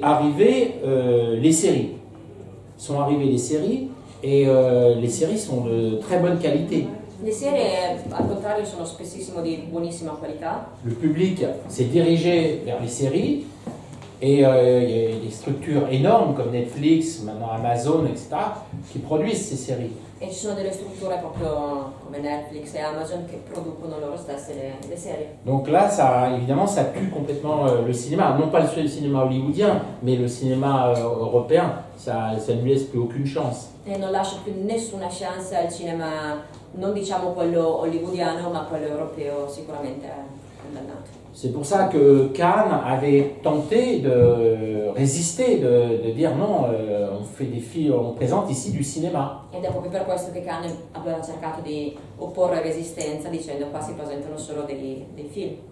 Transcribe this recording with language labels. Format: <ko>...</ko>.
<fr>arriver les séries sont arrivées les séries sont de très bonne qualité.</fr> <it>Les séries, al contrario, sono spessissimo di buonissima qualità.</it> <fr>Le public s'est dirigé vers les séries et il y a des structures énormes comme Netflix, maintenant Amazon, etc. qui produisent ces séries.</fr> <it>Et ci sono delle strutture proprio come Netflix e Amazon che producono loro stesse le serie.</it> <fr>Donc là, ça, évidemment, ça tue complètement le cinéma. Non pas le cinéma hollywoodien, mais le cinéma européen, ça ne lui laisse plus aucune chance.</fr> <it>E non lascia più nessuna chance al cinema, non diciamo quello hollywoodiano, ma quello europeo sicuramente è condannato.</it> <fr>C'est pour ça que Cannes avait tenté de résister, de dire non, on fait des films, on présente ici du cinéma.</fr> <it>Ed è proprio per questo che Cannes aveva cercato di opporre resistenza, dicendo qua si presentano solo dei film.</it>